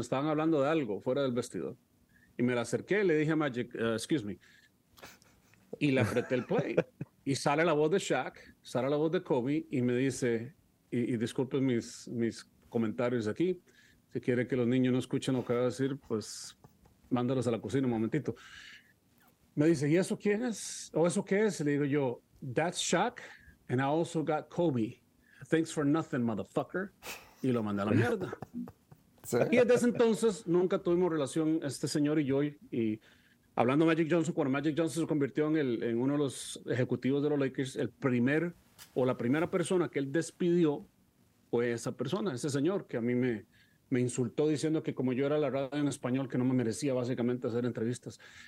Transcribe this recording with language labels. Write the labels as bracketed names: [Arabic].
[Spanish] Estaban hablando de algo fuera del vestidor. Y me la acerqué y le dije a Magic, [English] excuse me. [Spanish] Y le apreté el play. Y sale la voz de Shaq, sale la voz de Kobe y me dice, y disculpen mis comentarios aquí, si quiere que los niños no escuchen lo que va a decir, pues mándalos a la cocina un momentito. Me dice, ¿y eso quién es? ¿O eso qué es? Le digo yo, [English] that's Shaq and I also got Kobe. Thanks for nothing, motherfucker. [Spanish] Y lo mandé a la mierda. Y desde ese entonces nunca tuvimos relación este señor y yo y hablando de Magic Johnson, cuando Magic Johnson se convirtió en uno de los ejecutivos de los Lakers, la primera persona que él despidió fue esa persona, ese señor, que a mí me insultó diciendo que como yo era la radio en español, que no me merecía básicamente hacer entrevistas.